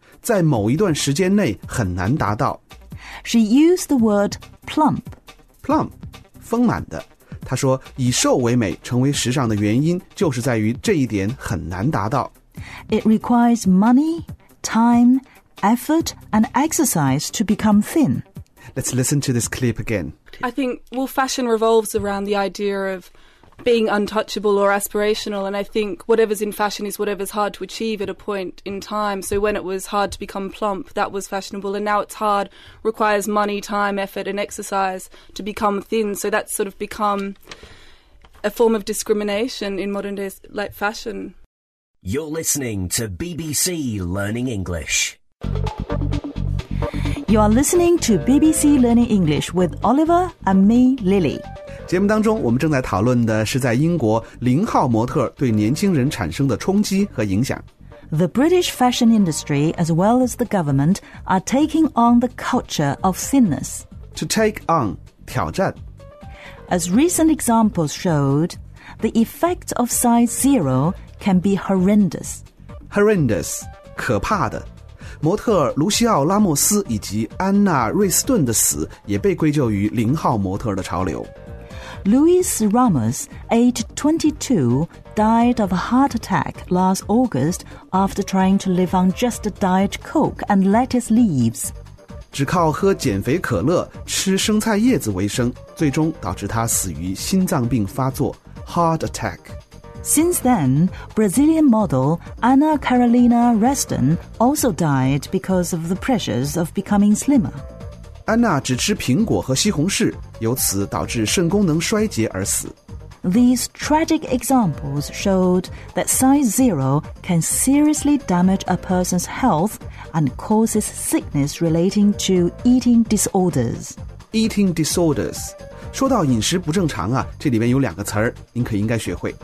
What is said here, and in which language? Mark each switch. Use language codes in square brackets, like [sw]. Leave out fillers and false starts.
[zh] 在某一段时间内很难达到。 [en] She used the word plump. [zh] Plump, 丰满的。她说以瘦为美成为时尚的原因就是在于这一点很难达到。 [en] It requires money, time, effort, and exercise to become thin. Let's listen to this clip again. I think, well, fashion revolves around the idea of... being untouchable or aspirational, and I think whatever's in fashion is whatever's hard to achieve at a point in time. So when it was hard to become plump, that was fashionable, and now it's hard, requires money, time, effort, and exercise to become thin. So that's sort of become a form of discrimination in modern day, like, fashion. You're listening to BBC Learning English. You are listening to BBC Learning English with Oliver and me, Lily. [zh] 节目当中我们正在讨论的是在英国零号模特对年轻人产生的冲击和影响。 [en] The British fashion industry as well as the government are taking on the culture of thinness. To take on, 挑战。 As recent examples showed, the effect of size zero can be horrendous. [zh] Horrendous, 可怕的。模特卢西奥·拉莫斯以及安娜·瑞斯顿的死也被归咎于零号模特的潮流。 [en] Luis Ramos, aged 22, died of a heart attack last August after trying to live on just a diet Coke and lettuce leaves. [zh] 只靠喝减肥可乐、吃生菜叶子为生，最终导致他死于心脏病发作 heart attack. [en] Since then, Brazilian model Ana Carolina Reston also died because of the pressures of becoming slimmer. [zh] 安娜只吃苹果和西红柿，由此导致肾功能衰竭而死。 [en] These tragic examples showed that size zero can seriously damage a person's health and causes sickness relating to eating disorders. Eating disorders. [zh] 说到饮食不正常啊，这里面有两个词儿，您可应该学会。